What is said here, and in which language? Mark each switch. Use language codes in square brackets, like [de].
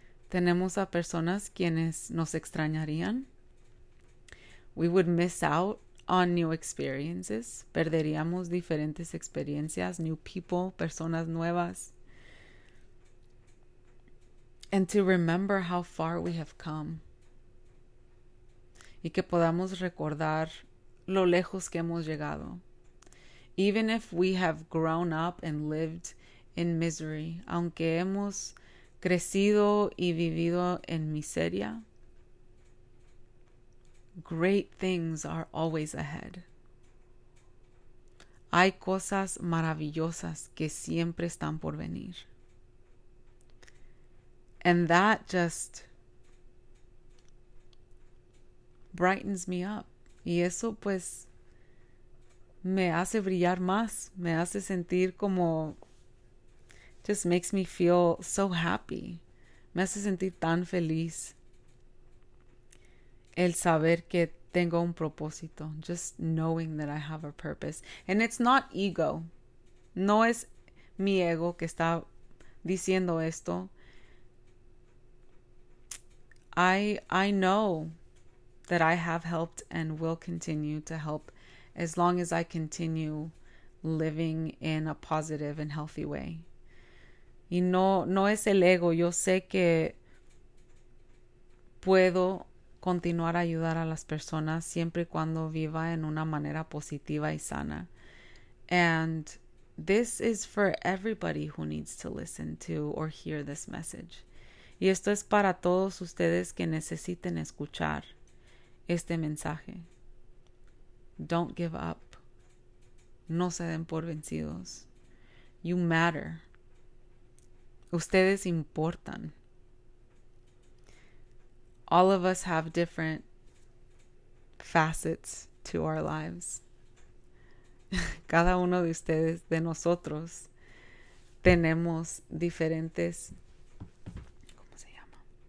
[es] Tenemos a personas quienes nos extrañarían. [en] We would miss out on new experiences. [es] Perderíamos diferentes experiencias, [en] new people, [es] personas nuevas. [en] And to remember how far we have come. [es] Y que podamos recordar lo lejos que hemos llegado. [en] Even if we have grown up and lived in misery, [es] aunque hemos crecido y vivido en miseria, [en] great things are always ahead. [es] Hay cosas maravillosas que siempre están por venir. [en] And that just brightens me up. [es] Y eso, pues, me hace brillar más. Me hace sentir como, [en] just makes me feel so happy. [es] Me hace sentir tan feliz. El saber que tengo un propósito. [en] Just knowing that I have a purpose. And it's not ego. [es] No es mi ego que está diciendo esto. [en] I know that I have helped and will continue to help as long as I continue living in a positive and healthy way. [es] Y no es el ego. Yo sé que puedo continuar a ayudar a las personas siempre y cuando viva en una manera positiva y sana. [en] And this is for everybody who needs to listen to or hear this message. [es] Y esto es para todos ustedes que necesiten escuchar este mensaje. [en] Don't give up. [es] No se den por vencidos. [en] You matter. [es] Ustedes importan. [en] All of us have different facets to our lives. [es] Cada uno de ustedes, de nosotros, tenemos diferentes, ¿cómo se llama?